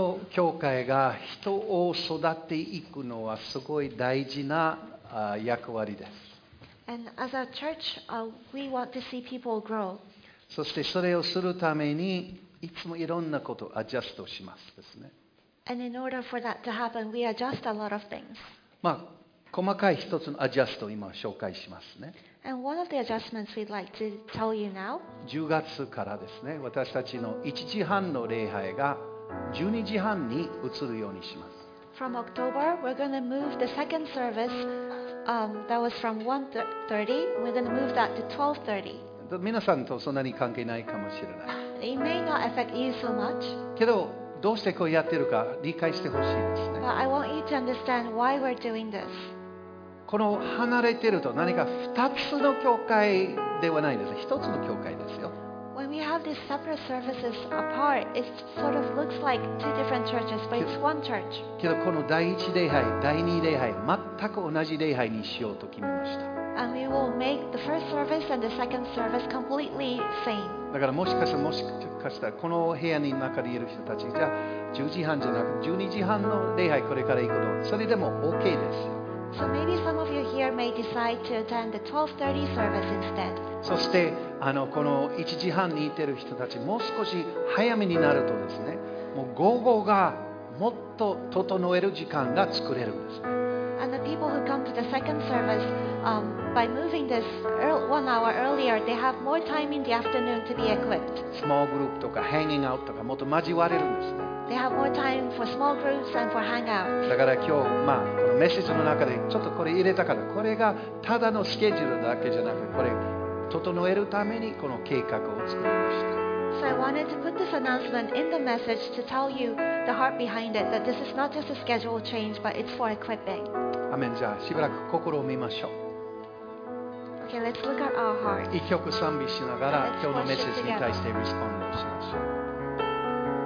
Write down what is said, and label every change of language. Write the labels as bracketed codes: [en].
[ja] 教会が人を育っていくのはすごい大事な役割です。 [en] And as a church, we want to see people grow. [ja] そしてそれをするためにいつもいろんなことをアジャストしますですね。 [en] And in order for that to happen, we adjust a lot of things. [ja] まあ細かい一つのアジャストを今紹介しますね。 [en] And one of the adjustments we'd like to tell you now. [ja] 10月からですね、私たちの1時半の礼拝が12時半に移るようにします。 [en] From October, we're going to move the second service that was from 1:30, we're going to move that to 12:30. [ja] 皆さんとそんなに関係ないかもしれない。 [en] It may not affect you so much. [ja] けどどうしてこうやってるか理解してほしいですね。 [en] But I want you to understand why we're doing this. [ja] この離れてると何か2つの教会ではないです。 1つの教会ですよ。 [en] When we have these separate services apart, it sort of looks like two different churches, but it's one church. [ja] けどこの第一礼拝、第二礼拝、全く同じ礼拝にしようと決めました。 [en] And we will make the first service and the second service completely same. [ja] だからもしかしたらこの部屋の中にいる人たちが10時半じゃなく12時半の礼拝これから行くの、それでも OK です。 [en] So maybe some of you here may decide to attend the 12:30 service instead. [ja] そしてこの1時半にいてる人たち、もう少し早めになるとですね、もう午後がもっと整える時間が作れるんですね。 [en] And the people who come to the second service, by moving this one hour earlier, they have more time in the afternoon to be equipped. [ja] Small group とか [en] hanging out [ja] とかもっと交われるんですね。 [en] They have more time for small groups and for hangouts. [ja] だから今日、まあ、このメッセージの中でちょっとこれ入れたかな。これがただのスケジュールだけじゃなく、これ整えるためにこの計画を作りました。 [en] So I wanted to put this announcement in the message to tell you the heart behind it, that this is not just a schedule change, but it's for equipping. [ja] アメン。じゃあしばらく心を見ましょう。 [en] Okay, let's look at our heart. [ja] 一曲賛美しながら今日のメッセージに対してリスポンドしましょう。